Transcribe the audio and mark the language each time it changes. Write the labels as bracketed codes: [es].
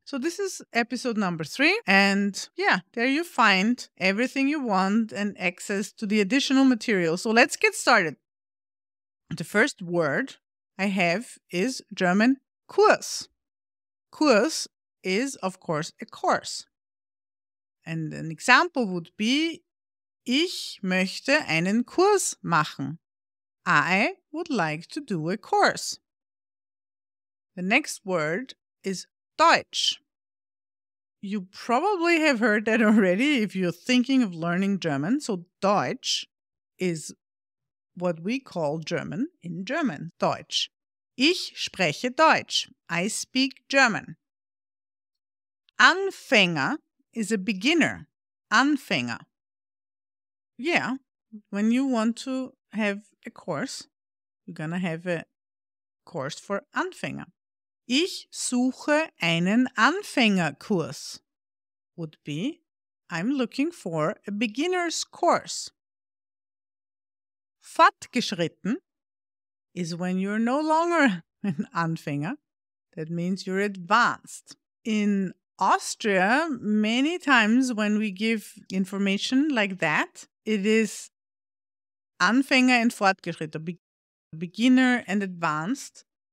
[en] So this is episode number 3. And yeah, there you find everything you want and access to the additional material. So let's get started. The first word I have is German Kurs. Kurs is, of course, a course. And an example would be, [de] ich möchte einen Kurs machen. [en] I would like to do a course. The next word is Deutsch. You probably have heard that already if you're thinking of learning German. So Deutsch is what we call German in German, Deutsch. [de] Ich spreche Deutsch. [en] I speak German. Anfänger is a beginner. Anfänger. Yeah, when you want to have a course, you're gonna have a course for Anfänger. [de] Ich suche einen Anfängerkurs. [en] Would be, I'm looking for a beginner's course. Fortgeschritten is when you're no longer an Anfänger. That means you're advanced. In Austria, many times when we give information like that, it is Anfänger and Fortgeschritten, beginner and advanced.